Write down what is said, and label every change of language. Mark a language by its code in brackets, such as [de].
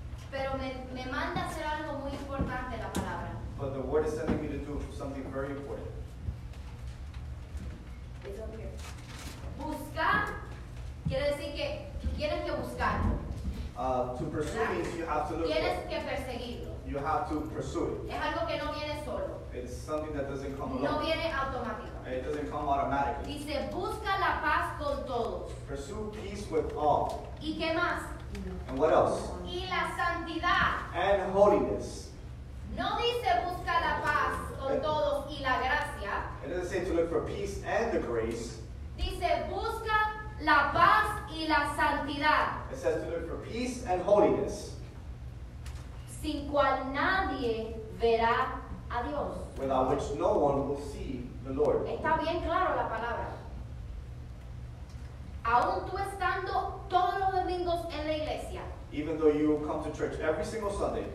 [es] Pero me manda a hacer algo muy importante la palabra. [en] But the word is sending me to do something very important. It's over here. [es] Buscar quiere decir que tienes que buscar. [en] To pursue [es] ¿verdad? [en] Means you have to look [es] tienes [en] for it. [es] Que perseguirlo. [en] You have to pursue it. [es] Es algo que no viene solo. [en] It's something that doesn't come alone. [es] No viene automático. [en] It doesn't come automatically. [es] Dice, busca la paz con todos. [en] Pursue peace with all. [es] ¿Y qué más? [en] And what else? [es] Y la santidad. [en] And holiness. [es] No dice busca la paz con todos y la gracia. [en] It doesn't say to look for peace and the grace. [es] Dice busca la paz y la santidad. [en] It says to look for peace and holiness. [es] Sin cual nadie verá a Dios. [en] Without which no one will see the Lord. [es] Está bien claro la palabra. Aún tú estando todos los domingos en la iglesia. [en] Even though you come to church every single Sunday.